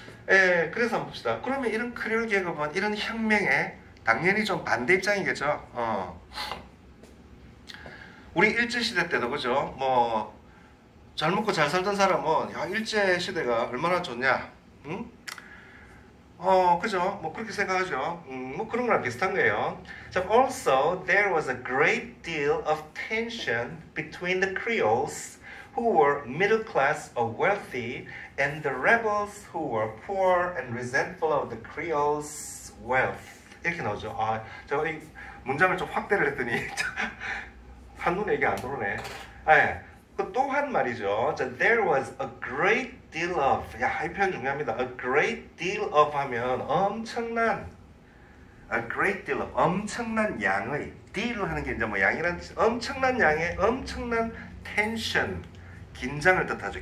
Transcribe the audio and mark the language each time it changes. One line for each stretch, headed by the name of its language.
Korean: 예, 그래서 한번 봅시다. 그러면 이런 크리올 계급은 이런 혁명에 당연히 좀 반대 입장이겠죠? 우리 일제시대 때도 그죠? 뭐, 잘 먹고 잘 살던 사람은, 야, 일제시대가 얼마나 좋냐? 응? 그죠? 뭐 그렇게 생각하죠. 뭐 그런 거랑 비슷한 거예요.
English: 자, also there was a great deal of tension between the Creoles who were middle class or wealthy and the rebels who were poor and resentful of the Creoles' wealth.
Korean: 이렇게 나오죠. 아, 저이 문장을 좀 확대를 했더니 한눈에 이게 안 들어오네. 아, 예. 그 또한 말이죠. 자,
English: there was a great deal of,
Korean: 야, 이 표현 중요합니다. A great deal of 하면 엄청난,
English: a great deal of,
Korean: 엄청난 양의, deal 하는 게 이제 뭐 양이라는 뜻, 엄청난 양의 엄청난 tension, 긴장을 뜻하죠.